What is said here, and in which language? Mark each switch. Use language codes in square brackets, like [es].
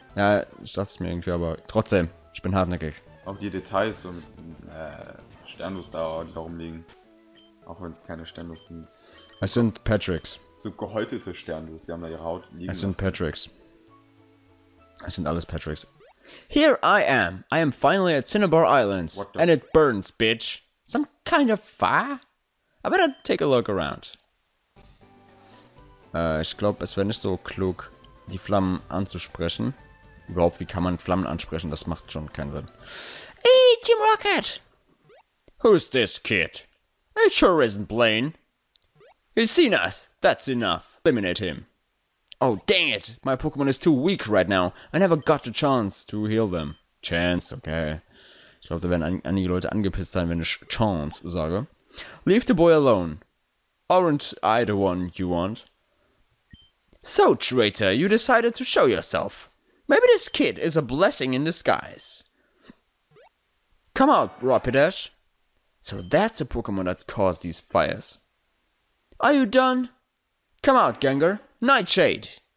[de] Ja, ich dachte es mir irgendwie, aber trotzdem, ich bin hartnäckig. Auch die Details so mit diesen Sternlos da, die da rumliegen. Auch wenn es keine Sternlos sind. Es sind Patricks. So gehäutete Sternlos, die haben da ihre Haut liegen. Es sind Patricks. Es sind alles Patricks. [en] Here I am. I am finally at Cinnabar Islands. And it burns, bitch. Some kind of fire? I better take a look around. [de] Ich glaube, es wäre nicht so klug, die Flammen anzusprechen. Überhaupt, wie kann man Flammen ansprechen? Das macht schon keinen Sinn. [en] Hey, Team Rocket! Who's this kid? It sure isn't Blaine. He's seen us. That's enough. Eliminate him. Oh, dang it! My Pokémon is too weak right now. I never got the chance to heal them. Chance, okay. [de] Ich glaube, da werden einige Leute angepisst sein, wenn ich Chance sage. [en] Leave the boy alone. Aren't I the one you want? So, traitor, you decided to show yourself. Maybe this kid is a blessing in disguise. Come out, Rapidash. So that's a Pokémon that caused these fires. Are you done? Come out, Gengar. Nightshade.